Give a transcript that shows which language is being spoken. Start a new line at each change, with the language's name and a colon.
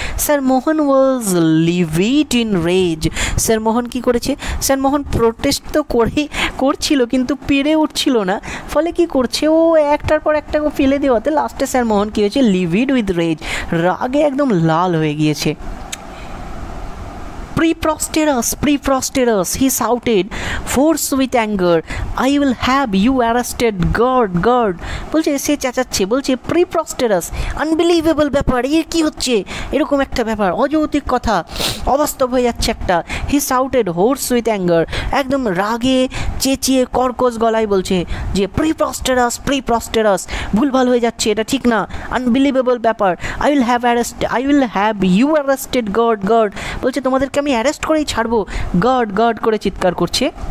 English: sir Mohan was livid in rage,
Bangla: sir মোহন কী করেছে, sir মোহন protest তো করেই করছিল কিন্তু পেরে উঠছিল না, ফলে কী করছে ও একটার পর একটা ফেলে দেওয়াতে লাস্টে স্যার মোহন কী হয়েছে,
English: livid with rage,
Bangla: রাগে একদম লাল হয়ে গিয়েছে।
English: Preposterous, preposterous, he shouted, force with anger, I will have you arrested, guard, guard.
Bangla: বলছে সে চেঁচাচ্ছে, বলছে preposterous, unbelievable ব্যাপার, এর কি হচ্ছে, এরকম একটা ব্যাপার, অযৌক্তিক কথা, অবাস্তব হয়ে যাচ্ছে একটা।
English: he shouted hoarse with anger,
Bangla: একদম রাগে চেঁচিয়ে কর্কশ গলায় বলছে যে preposterous, preposterous, ভুলভাল হয়ে যাচ্ছে, এটা ঠিক না, আনবিলিভেবল ব্যাপার,
English: I will have arrest, I will have you arrested,
Bangla: god god, বলছে তোমাদেরকে আমি অ্যারেস্ট করেই ছাড়বো, গড গড করে চিৎকার করছে।